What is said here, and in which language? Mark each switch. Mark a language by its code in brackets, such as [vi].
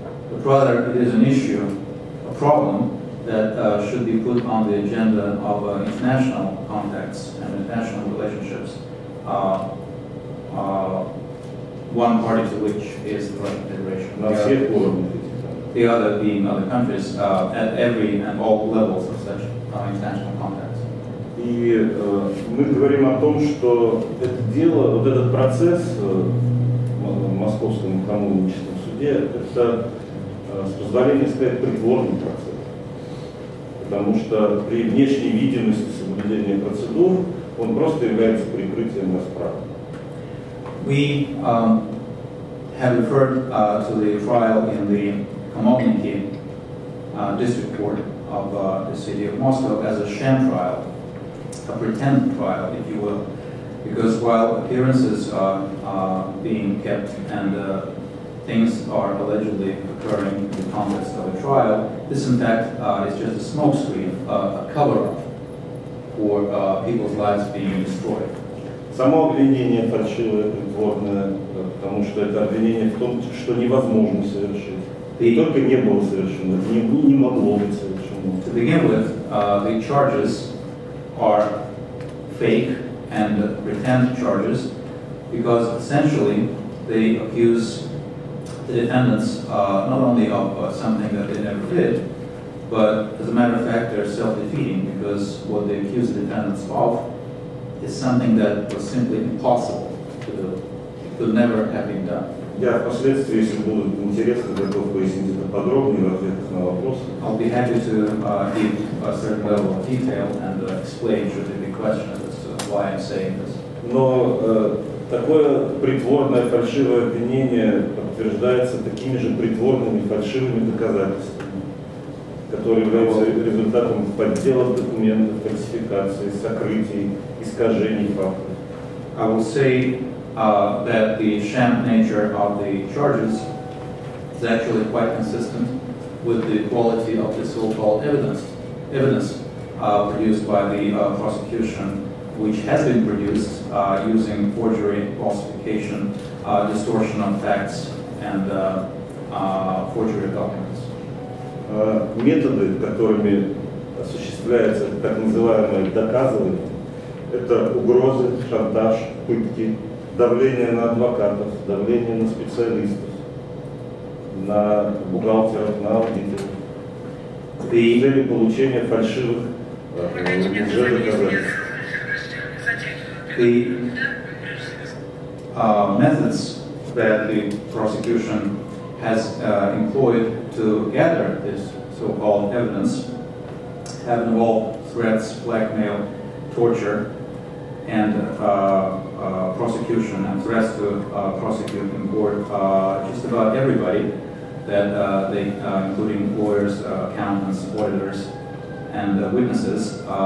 [en] But rather, it is an issue, a problem that should be put on the agenda of international contacts and international relationships, one party to which is the Russian Federation, the other being other countries, at every and all levels of such international contacts. [ru] И мы говорим о том, что это дело, вот этот процесс. Московском экономическом суде это, с позволения сказать, придворный процесс. Потому что при внешней видимости соблюдения процедур он просто является прикрытием расправы. [en] We have referred to the trial in the Komovniki district court of the city of Moscow as a sham trial, a pretend trial, if you will. Because while appearances are being kept and things are allegedly occurring in the context of a trial, this in fact is just a smokescreen, a cover-up for people's lives being destroyed. [ru] Само обвинение фальшивое, придворное, потому что это обвинение в том, что невозможно совершить. Только не было совершено, не могло быть совершено. [en] To begin with, the charges are fake and pretend charges, because essentially they accuse the defendants not only of something that they never did, but as a matter of fact they're self-defeating, because what they accuse the defendants of is something that was simply impossible to do, could never have been done. [ru] Yeah, впоследствии, если будет интересно, готов пояснить это подробнее в ответах на вопросы. [en] I'll be happy to give a certain level of detail and explain should there be questions. Why I'm saying this. [ru] Но такое притворное фальшивое обвинение подтверждается такими же притворными фальшивыми доказательствами, которые являются результатом подделок документов, фальсификации, сокрытий, искажений фактов. [en] I will say that the sham nature of the charges is actually quite consistent with the quality of the so-called evidence produced by the prosecution, which has been produced using forgery, falsification, distortion of facts, and forgery of documents. [ru] Методы, которыми осуществляется так называемое доказывание, это угрозы, шантаж, пытки, давление на адвокатов, давление на специалистов, на бухгалтеров, на аудиторов, или получение фальшивых уже доказательств. [en] The methods that the prosecution has employed to gather this so-called evidence have involved threats, blackmail, torture, and prosecution, and threats to prosecute in court just about everybody, that they, including lawyers, accountants, auditors, and witnesses,